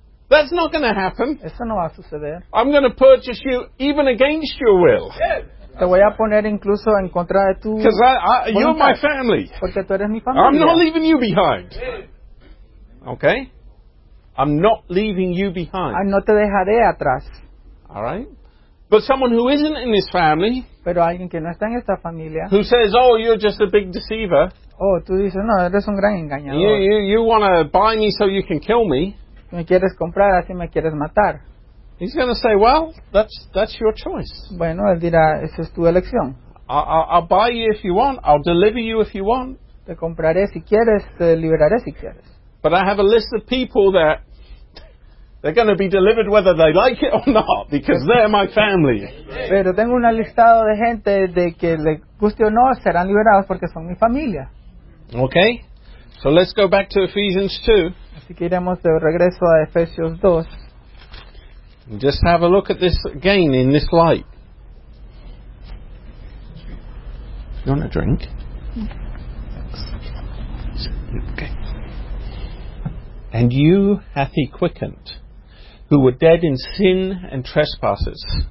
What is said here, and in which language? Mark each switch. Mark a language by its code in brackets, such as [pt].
[en] That's not going to happen. [es] Eso no va a suceder. [en] I'm going to purchase you even against your will. Yes. [es] Te voy a poner incluso en contra de tu voluntad. [en] Because you're my family. [es] Porque tú eres mi familia. [en] I'm not leaving you behind. Okay? I'm not leaving you behind. [es] No te dejaré atrás. [en] All right? But someone who isn't in his family, [es] pero alguien que no está en esta familia, [en] who says, "Oh, you're just a big deceiver." [es] Oh, tú dices, no, eres un gran engañador. [en] You want to buy me so you can kill me. [es] Me quieres comprar, así me quieres matar. [en] He's going to say, "Well, that's your choice." [es] Bueno, él dirá, esa es tu elección. [en] I'll buy you if you want. I'll deliver you if you want. [es] Te compraré si quieres. Te liberaré si quieres. [en] But I have a list of people that they're going to be delivered whether they like it or not, because they're my family. [es] Pero tengo un listado de gente de que le guste o no, serán liberados porque son mi familia. [en] Okay. So let's go back to Ephesians 2. [es] Así que iremos de regreso a Efesios 2. [en] And just have a look at this again in this light. You want a drink? Okay. "And you hath he quickened, who were dead in sin and trespasses."